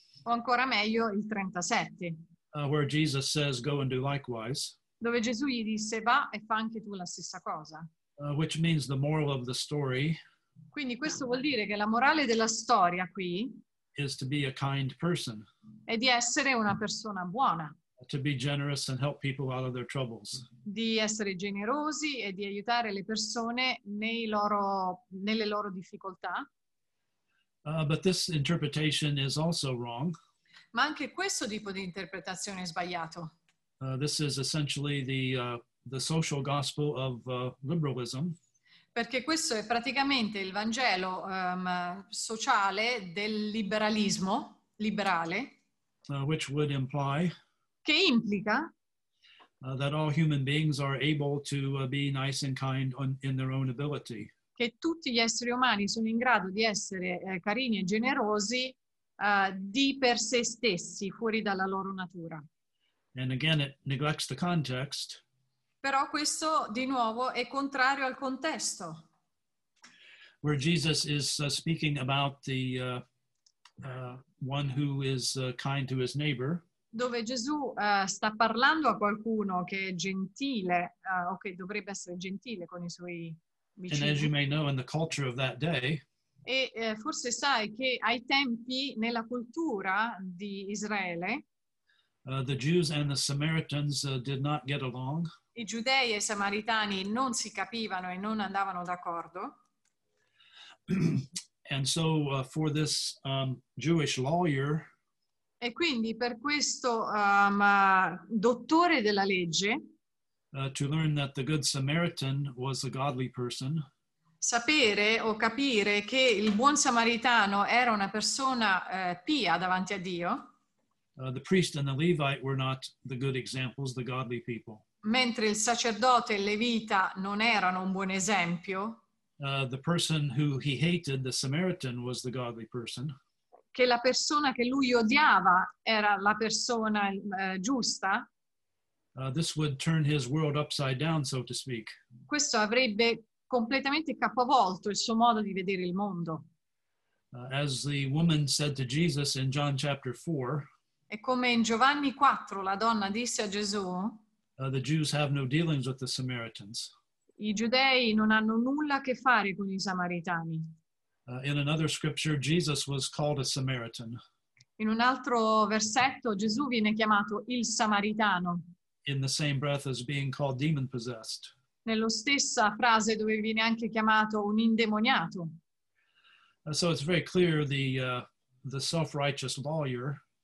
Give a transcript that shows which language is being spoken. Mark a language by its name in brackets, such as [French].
[Italian] O ancora meglio, il 37. [English] Where Jesus says, go and do likewise. [Italian] Dove Gesù gli disse, va e fa anche tu la stessa cosa. [English] Which means the moral of the story. [Italian] Quindi questo vuol dire che la morale della storia qui [English] is to be a kind person. [Italian] È di essere una persona buona. [English] to be generous and help people out of their troubles. [Italian] Di essere generosi e di aiutare le persone nei loro, nelle loro difficoltà. [English] But this interpretation is also wrong. [Italian] Ma anche questo tipo di interpretazione è sbagliato. [English] This is essentially the social gospel of liberalism. [Italian] Perché questo è praticamente il Vangelo sociale del liberalismo, liberale. [English] Which would imply [Italian] che implica [English] that all human beings are able to be nice and kind on, in their own ability. [Italian] Che tutti gli esseri umani sono in grado di essere carini e generosi di per se stessi, fuori dalla loro natura. [English] And again, it neglects the context. [Italian] Però questo, di nuovo, è contrario al contesto. [English] Where Jesus is speaking about the one who is kind to his neighbor. [Italian] Dove Gesù sta parlando a qualcuno che è gentile, o che dovrebbe essere gentile con i suoi vicini. [English] And as you may know, in the culture of that day, [Italian] e forse sai che ai tempi, nella cultura di Israele, [English] The Jews and the Samaritans did not get along. [Italian] I giudei e i samaritani non si capivano e non andavano d'accordo. [English] And so for this Jewish lawyer, [Italian] e quindi per questo dottore della legge, [English] to learn that the good Samaritan was a godly person, [Italian] sapere o capire che il buon samaritano era una persona pia davanti a Dio. [English] The priest and the Levite were not the good examples, the godly people. [Italian] Mentre il sacerdote e il levita non erano un buon esempio. [English] The person who he hated, the Samaritan, was the godly person. [Italian] Che la persona che lui odiava era la persona giusta. [English] This would turn his world upside down, so to speak. [Italian] Questo avrebbe completamente capovolto il suo modo di vedere il mondo. [English] As the woman said to Jesus in John chapter 4, [Italian] e come in Giovanni 4 la donna disse a Gesù, [English] the Jews have no dealings with the Samaritans. [Italian] I giudei non hanno nulla a che fare con i samaritani. [English] In another scripture, Jesus was called a Samaritan. [Italian] In un altro versetto, Gesù viene chiamato il Samaritano. [English] In the same breath as being called demon-possessed. [Italian] Nella stessa frase dove viene anche chiamato un indemoniato. [English] So it's very clear the self-righteous lawyer.